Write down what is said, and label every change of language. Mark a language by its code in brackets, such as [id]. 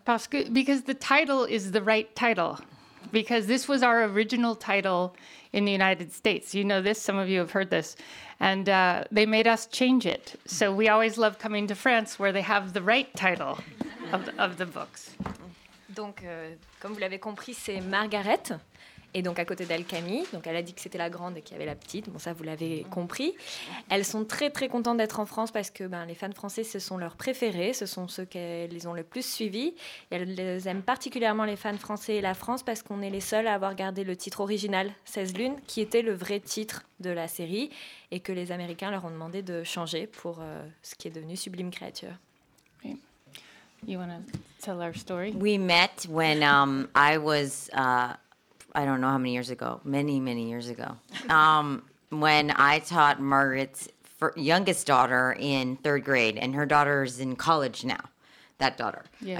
[en] Because the title is the right title. Because this was our original title in the United States. You know this, some of you have heard this. And they made us change it. So we always love coming to France where they have the right title of the books. [fr] Donc, comme vous l'avez compris, c'est Margaret. Et donc à côté d'elle, Camille. Donc elle a dit que c'était la grande et qu'il y avait la petite. Bon, ça, vous l'avez compris. Elles sont très, très contentes d'être en France parce que les fans français, ce sont leurs préférés. Ce sont ceux qu'elles ont le plus suivis. Et elles aiment particulièrement les fans français et la France parce qu'on est les seuls à avoir gardé le titre original, 16 lunes, qui était le vrai titre de la série et que les Américains leur ont demandé de changer pour ce qui est devenu Sublime Créature. Oui. [en] You want to tell our story? We met when I was... I don't know how many years ago, many, many years ago, when I taught Margaret's youngest daughter in third grade, and her daughter's in college now, that daughter. Yes.